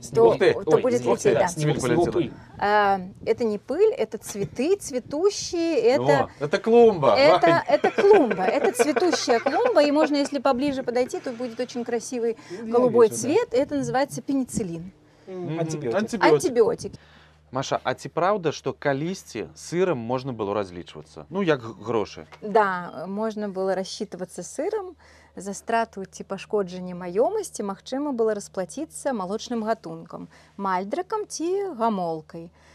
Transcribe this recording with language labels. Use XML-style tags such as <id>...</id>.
<ru>то будет лететь, да. Это не пыль, это цветы цветущие. Это клумба. Это клумба, это цветущая клумба. И можно, если поближе подойти, то будет очень красивый голубой цвет. Это называется пенициллин. Антибиотик.</ru> <be>Маша, а ці правда, что калісьці сырам можна было разлічвацца? Ну, як грошы? Да, можна было рассчитывацца сырам за страту ці пашкоджанне маёмасці, магчыма было расплаціцца малочным гатункам, мальдракам ці гамолкай.</be>